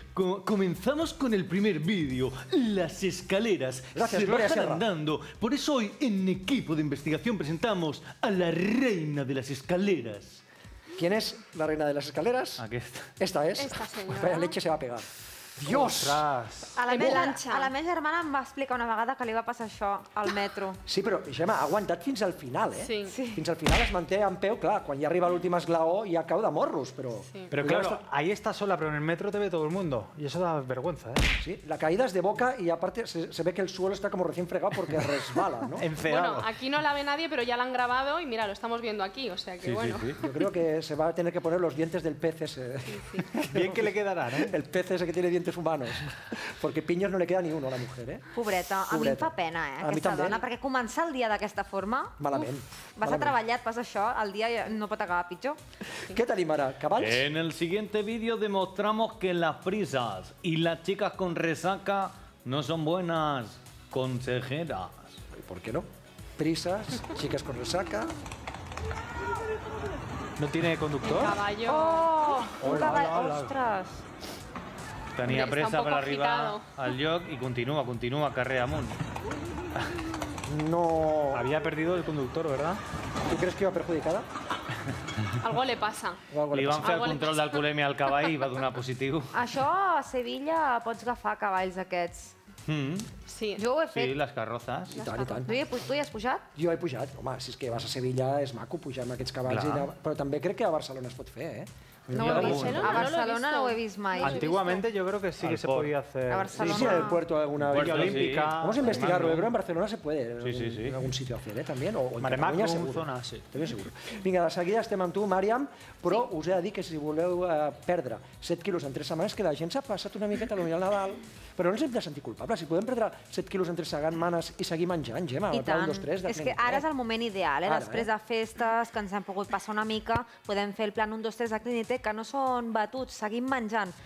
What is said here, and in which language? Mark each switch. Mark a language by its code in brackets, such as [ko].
[es] Comenzamos con el primer vídeo, las escaleras. Gracias, se Gloria bajan Sierra. Andando. Por eso hoy en equipo de investigación presentamos a la reina de las escaleras. ¿Quién es la reina de las escaleras? Aquí está. Esta es. Esta señora. La leche se va a pegar. ¡Dios! ¡Ostras! [ca] A la meva germana em va explicar una vegada que li va passar això al metro. Sí, però Gemma, ha aguantat fins al final, eh? Sí. Sí. Fins al final es manté en peu, clar, quan ja arriba l'últim esglaó ja cau de morros, però... Sí. [es] Però claro, estar... ahí está sola, però en el metro te ve todo el mundo. Y eso da vergüenza, eh? Sí, la caída es de boca y aparte se ve que el suelo está como recién fregado porque resbala, ¿no? Enfeado. Bueno, aquí no la ve nadie, pero ya la han grabado y mira, lo estamos viendo aquí, o sea que sí, bueno. Sí, sí. Yo creo que se va a tener que poner los dientes del pez ese. Sí, sí. Bien que le quedarán, ¿eh? El pez ese que tiene dientes humanos, porque piños no le queda ni uno a la mujer, ¿eh? [ca] Pobreta, a mi em fa pena, eh? Aquesta dona, perquè començar el dia d'aquesta forma... Malament. Vas a treballar, passa això, el dia no pot acabar pitjor. Què tenim ara, cavalls? [es] En el siguiente vídeo demostramos que las prisas y las chicas con resaca no son buenas consejeras. ¿Por qué no? Prisas, chicas con resaca... ¿No tiene conductor? El caballo. ¡Oh! Un caballo, ostres! [ca] Tenia pressa per arribar al lloc i continua, continua, carrer amunt. No... [es] Havia perdido el conductor, ¿verdad? ¿Tú crees que iba perjudicada? Algo le pasa. [ca] Li van fer el control d'alcoholèmia al cavall i va donar positiu. Això a Sevilla pots agafar cavalls aquests. Sí. Jo ho he fet. Sí, les carrozas. I tant, i tant. Tu hi has pujat? Jo he pujat. Home, si és que vas a Sevilla és maco pujar amb aquests cavalls. Però també crec que a Barcelona es pot fer, eh? No ho he vist. A Barcelona no ho he vist mai. [es] Antiguamente yo creo que sí que se podía hacer. A Barcelona. Sí, sí, al puerto alguna vez. Villa Olímpica. Vamos a investigarlo. Yo creo que en Barcelona se puede. Sí, sí, sí. En algún sitio hacer, ¿eh? También. O en Cataluña seguro. Zona, sí. También seguro. [ca] Vinga, de seguida estem amb tu, Màriam, però us he de dir que si voleu perdre 7 quilos en 3 setmanes, que la gent s'ha passat una miqueta a l'Unial Nadal, però no ens hem de sentir culpables. Si podem perdre 7 quilos en 3 setmanes i seguir menjant, Gemma, al plan 2-3... És que ara és el moment ideal, eh? Després de festes, que ens hem pogut passar una mica, podem fer el plan 1-2-3 de Clínica, que no són batuts, seguim menjant.